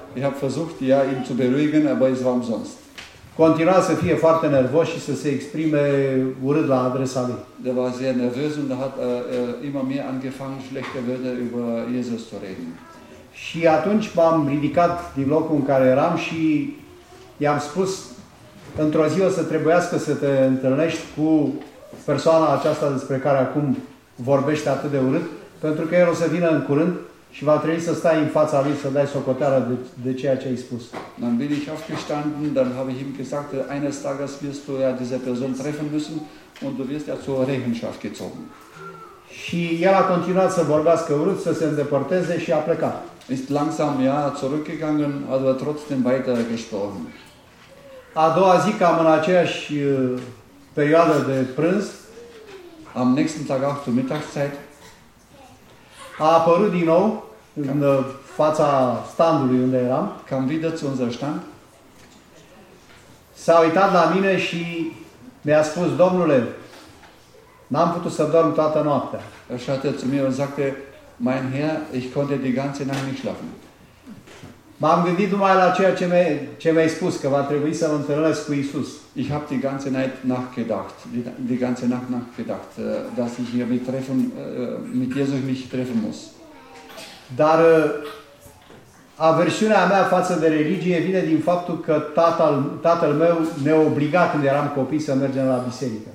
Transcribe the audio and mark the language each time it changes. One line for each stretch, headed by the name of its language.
German: Ich habe versucht, ja, ihn zu beruhigen, aber es war umsonst.
Romanian: Continua să fie foarte nervos și să se exprime urât la adresa lui.
German: Der war sehr nervös und hat immer mehr angefangen, schlechte Wörter über Jesus zu reden.
Romanian: Și atunci m-am ridicat din locul în care eram și i-am spus într-o zi o să trebuiască să te întâlnești cu persoana aceasta despre care acum vorbește atât de urât, pentru că el o să vină în curând și va trebui să stai în fața lui să dai socoteală de ceea ce ai spus.
German: Dann bin ich aufgestanden, dann habe ich ihm gesagt, eines Tages wirst du ja diese Person treffen müssen und du wirst ja zur Rechenschaft gezogen.
Romanian: Și el a continuat să vorbească urât, să se îndepărteze și a plecat.
German: Ist langsam ja zurückgegangen, aber also trotzdem weiter gesprochen.
Romanian: A doua zi, cam în aceeași perioadă de prânz,
German: am nächsten Tag auch zur Mittagszeit,
Romanian: a apărut din nou în fața standului unde eram.
German: Kam wieder zu unser Stand.
Romanian: S-a uitat la mine și mi-a spus, Domnule, n-am putut să dorm toată noaptea.
German: Er schaute zu mir und sagte, Mein Herr, ich konnte die ganze Nacht nicht schlafen.
Romanian: M-am gândit numai la ceea ce mi-ai spus, că va trebui să mă întâlnesc cu Iisus.
German: Ich habe die ganze Nacht nachgedacht, die ganze Nacht nachgedacht, dass ich hier mich treffen, mit Jesus mich treffen muss.
Romanian: Dar aversiunea mea față de religie vine din faptul că tatăl meu ne-a obligat când eram copii să mergem la biserică.